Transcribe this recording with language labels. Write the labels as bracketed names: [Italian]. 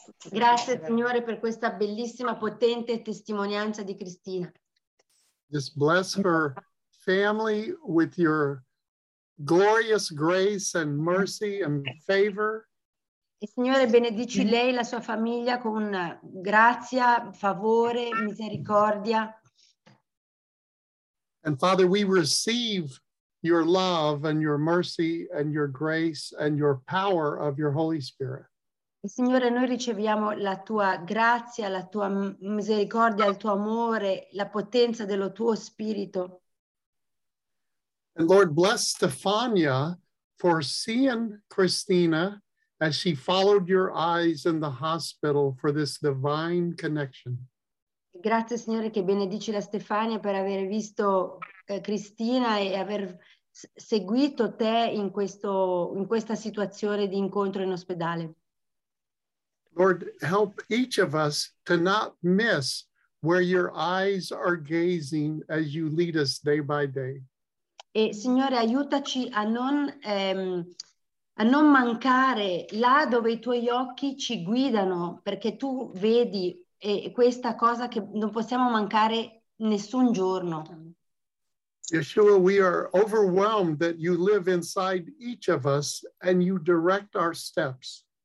[Italian] Grazie, Signore, per questa bellissima, potente testimonianza di Cristina. [English] Just bless her family with your glorious grace and mercy and favor. [Italian] E Signore, benedici lei e la sua famiglia con grazia, favore, misericordia. [English] And Father, we receive your love and your mercy and your grace and your power of your Holy Spirit. [Italian] E Signore, noi riceviamo la tua grazia, la tua misericordia, il tuo amore, la potenza dello tuo spirito. [English] And Lord, bless Stefania for seeing Christina as she followed your eyes in the hospital for this divine connection. [Italian] Grazie, Signore, che benedici la Stefania per aver visto Cristina e aver seguito te in questo, in questa situazione di incontro in ospedale. [English] Lord, help each of us to not miss where your eyes are gazing as you lead us day by day. [Italian] E Signore, aiutaci a non a non mancare là dove i tuoi occhi ci guidano, perché tu vedi questa cosa che non possiamo mancare nessun giorno. [English] Yeshua, we are overwhelmed that you live inside each of us and you direct our steps.